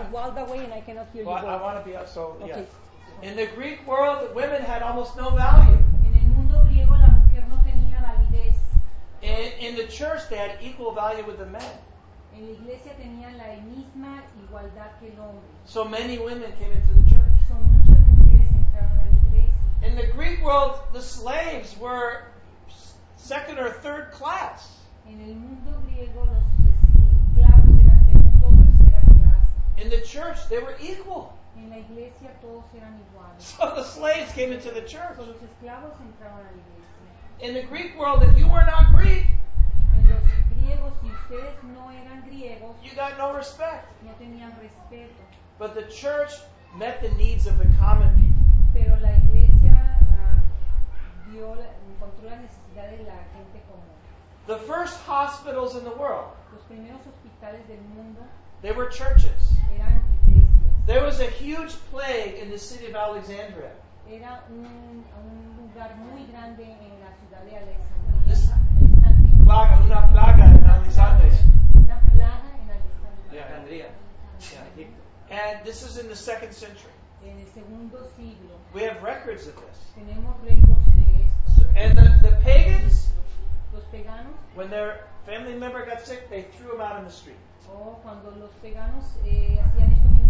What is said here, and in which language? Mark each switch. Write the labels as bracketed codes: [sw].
[en] is walled away and I cannot hear well, you. Well, I want to be up, so, okay. yeah. In the Greek world, women had almost no value. [es] En el mundo griego, la mujer no tenía validez. [en] In the church, they had equal value with the men. [es] En la iglesia, tenía la misma igualdad que el hombre. [en] So many women came into the church. [es] So muchas mujeres entraron a la iglesia. [en] In the Greek world, the slaves were second or third class. [es] En el mundo griego, los esclavos eran segundo o tercera clase. [en] In the church, they were equal. [es] En la iglesia, todos eran iguales. [en] So the slaves came into the church. [es] So los esclavos entraban a la iglesia. [en] In the Greek world, if you were not Greek, [es] en los griegos, si ustedes no eran griegos, [en] you got no respect. [es] No tenían respeto. [en] But the church met the needs of the common people. [es] Pero la iglesia dio la, encontró la necesidad de la gente común. [en] The first hospitals in the world, [es] los primeros hospitales del mundo, [en] they were churches. [es] Eran [en] there was a huge plague in the city of Alexandria. [es] Era un lugar muy grande en la ciudad de Alexandria. Plaga, una plaga en Alexandria. Una plaga en Alexandria. Alejandría. Yeah, Egipto. [en] And this is in the second century. [es] En el segundo siglo. [en] We have records of this. [es] Tenemos records de esto. [en] So, and the pagans, [es] los paganos, [en] when their family member got sick, they threw them out in the street. [es] Oh, cuando los paganos hacían esto.